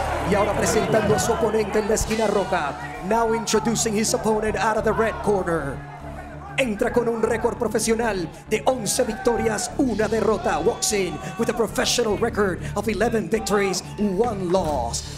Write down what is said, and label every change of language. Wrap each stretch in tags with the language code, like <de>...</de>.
<es>Y ahora presentando a su oponente en la esquina roja.</es> <en>Now introducing his opponent out of the red corner.</en> <es>Entra con un récord profesional de 11 victorias, 1 derrota.</es> <en>Walks in with a professional record of 11 victories, 1 loss.</en>